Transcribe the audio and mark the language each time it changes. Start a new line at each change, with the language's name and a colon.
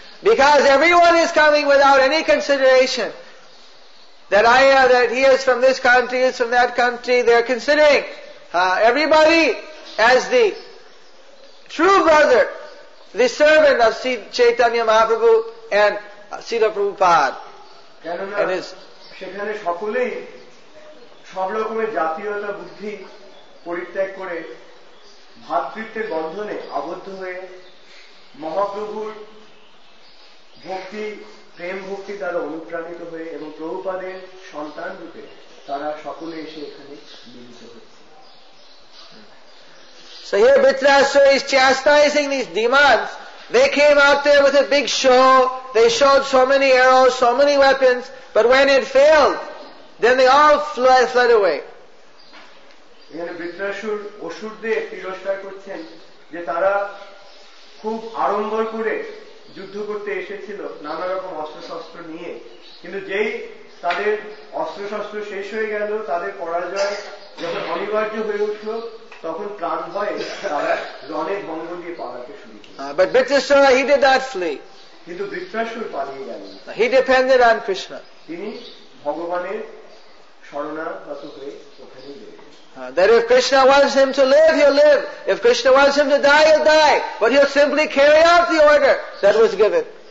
English: Because everyone is coming without any consideration that I am, that he is from this country, he is from that country, they are considering everybody as the true brother, the servant of Sri Chaitanya Mahaprabhu and Srila Prabhupada. And his
Bangla: সেখানে সকলেই সব রকমের জাতীয়তা বুদ্ধি পরিত্যাগ করে ভাতৃত্বের বন্ধনে আবদ্ধ হয়ে মহাপ্রভুর ভক্তি প্রেম ভক্তি দ্বারা অনুপ্রাণিত হয়ে এবং প্রভুপাদের সন্তান রূপে তারা সকলে এসে এখানে মিলিত হয়েছে।
English: So here Vritrasura is chastising these demons. They came out there with a big show. They showed so many arrows, so many weapons. But when it failed, then they all fled away.
Bangla: এখানে বৃত্রাসুর অসুরদের তিরস্কার করছেন যে তারা খুব আড়ম্বর করে যুদ্ধ করতে এসেছিল নানা রকম অস্ত্রশস্ত্র নিয়ে কিন্তু যেই তাদের অস্ত্রশস্ত্র শেষ হয়ে গেল তাদের পরাজয় যখন অনিবার্য হয়ে উঠল তখন প্রাণ ভয়ে তারা রণে ভঙ্গ দিয়ে পালাতে শুরু করল কিন্তু বৃত্রাসুর পালিয়ে গেল
English: he defended on Krishna
Bangla: তিনি ভগবানের শরণাগত হয়ে ওখানে গেলেন
English: That if Krishna wants him to live, he'll live. If Krishna wants him to die, he'll die. But he'll simply carry out the order that was given.